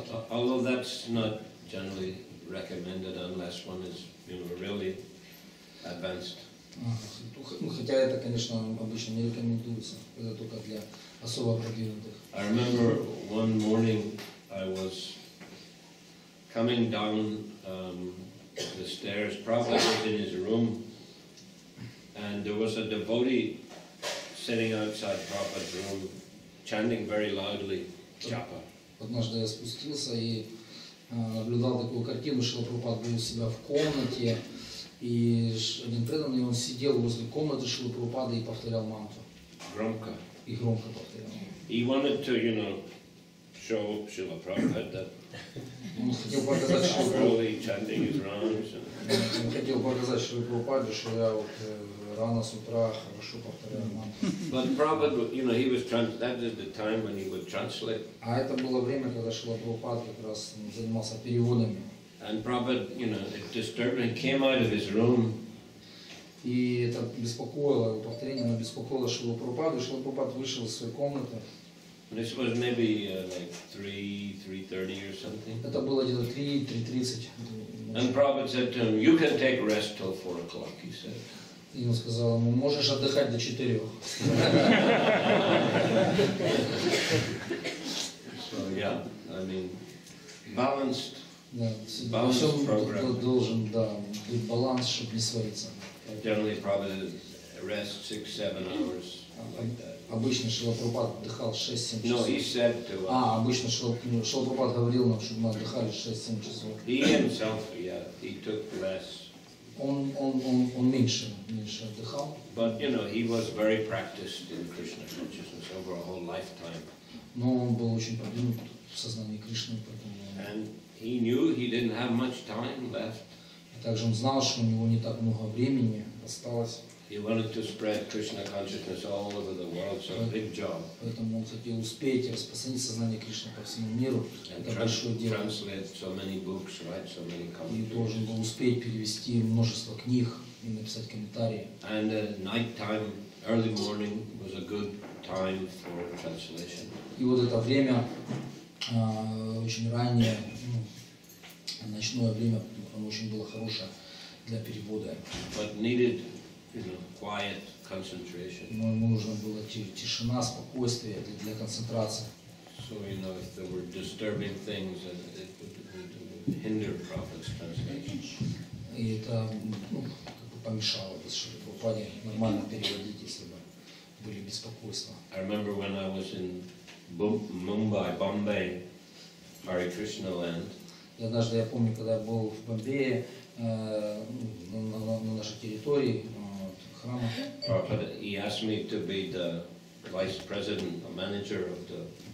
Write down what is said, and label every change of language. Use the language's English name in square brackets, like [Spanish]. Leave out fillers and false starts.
[English] Although that's not generally recommended unless one is, you know, really advanced. [Russian] Ну, хотя это, конечно, обычно не рекомендуется, это только для особо продвинутых. [English] I remember one morning I was coming down the stairs, probably in his room, and there was a devotee sitting outside Prabhupada's room, chanting very loudly, Japa. [Russian] Однажды я спустился и наблюдал такую картину, что Прабхупад был у себя в комнате, и один преданный, он сидел возле комнаты Шрилы Прабхупады и повторял мантру. Громко. И громко повторял. [English] He wanted to, you know, show Шрила Прабхупада that. [Russian] Он хотел показать Шрилу Прабхупаде. Он хотел показать Шрилу Прабхупаде, что я вот рано с утра хорошо повторяю мантру. [English] But Prabhupada, you know, he was that is the time when he would translate. [Russian] А это было время, когда Шрила Прабхупада как раз занимался переводами. [English] And Prabhupada, you know, it disturbed him. He came out of his room. [Russian] И это беспокоило, повторение, оно беспокоило Шрилу Прабхупаду. Шрила Прабхупада вышел из своей комнаты. [English] This was maybe like 3:30 or something. [Russian] Это было где-то 3:30. [English] And Prabhupada said to him, you can take rest till 4 o'clock, he said. [Russian] И он сказал ему, можешь отдыхать до 4. [English] So yeah, I mean, balanced, balanced program. [Russian] Должен, да, быть баланс, чтобы не свариться. [English] Generally, Prabhupada rest 6-7 hours. [Russian] Обычно Шрила Прабхупада отдыхал 6-7 часов. [English] No, he said to us. [Russian] А, обычно Шрила Прабхупада говорил нам, чтобы мы отдыхали 6-7 часов. [English] He himself, yeah, he took less. [Russian] Он меньше отдыхал. [English] But, you know, he was very practiced in Krishna consciousness over a whole lifetime. [Russian] Но он был очень продвинут в сознании Кришны, поэтому... [English] And he knew he didn't have much time left. [Russian] Также он знал, что у него не так много времени осталось. [English] He wanted to spread Krishna consciousness all over the world, so a big job. [Russian] Поэтому он хотел успеть распространить сознание Кришны по всему миру. Это большое дело. [English] Translate so many books, write so many commentaries. [Russian] И должен был успеть перевести множество книг и написать комментарии. [English] And night time, early morning was a good time for translation. [Russian] И вот это время очень раннее, ночное время, оно очень было хорошее для перевода. [English] But needed, you know, quiet concentration. [Russian] Но ему нужно было тишина, спокойствие для концентрации. [English] So, you know, if there were disturbing things, it would hinder Prabhupada's concentration. [Russian] И это, ну, как бы помешало бы Шриле Прабхупаде нормально переводить, если бы были беспокойства. [English] I remember when I was in Bombay, Hare Krishna land. [Russian] И однажды я помню, когда я был в Бомбее, на нашей территории. [English] Prabhupada, he asked me to be the vice president, the manager of the...